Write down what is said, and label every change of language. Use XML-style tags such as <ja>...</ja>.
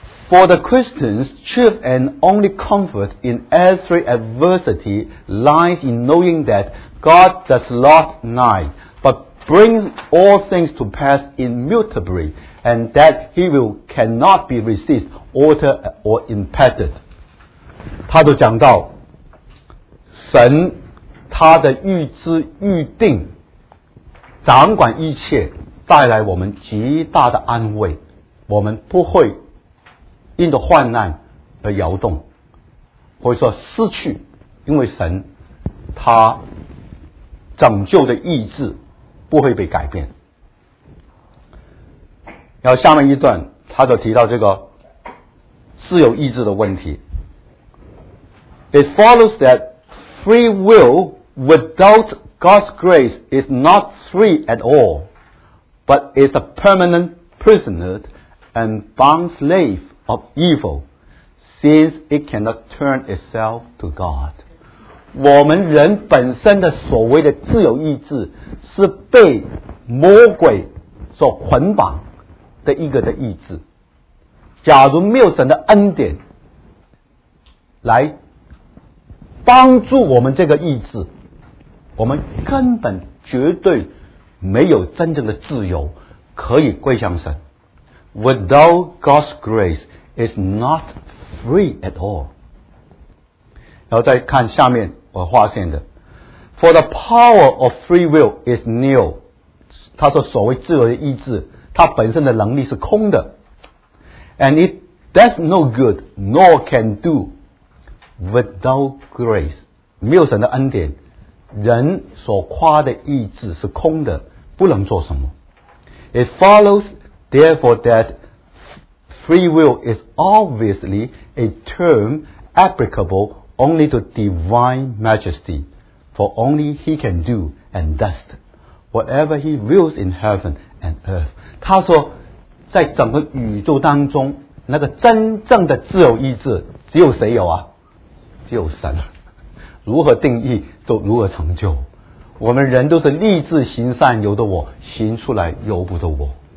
<en>For the Christian's chief and only comfort in every adversity lies in knowing that God does not lie, but brings all things to pass immutably, and that he will cannot be resisted, altered or impeded.</en> <zh>他都讲到神他的预知预定掌管一切，带来我们极大的安慰，我们不会因着患难而摇动，或者说失去，因为神他拯救的意志不会被改变。然后下面一段他就提到这个自由意志的问题。</zh> <en>It follows that free will without God's grace is not free at all, but is a permanent prisoner and bond slave of evil, since it cannot turn itself to God.</en> <zh>我们人本身的所谓的自由意志是被魔鬼所捆绑的一个的意志，假如没有神的恩典来帮助我们这个意志，我们根本绝对没有真正的自由可以归向神。</zh> <en>Without God's grace is not free at all.</en> <zh>然后再看下面我划线的。</zh> <en>For the power of free will is nil.</en> <zh>他说所谓自由的意志它本身的能力是空的。</zh> <en>And it does no good nor can do without grace.</en> <zh>没有神的恩典，人所夸的意志是空的，不能做什么。</zh> <en>It follows therefore that free will is obviously a term applicable only to divine majesty, for only he can do and does whatever he wills in heaven and earth.</en> <zh>他说在整个宇宙当中那个真正的自由意志只有谁有啊？只有神。如何定义就如何成就，我们人都是立志行善由得我，行出来由不得我。</zh>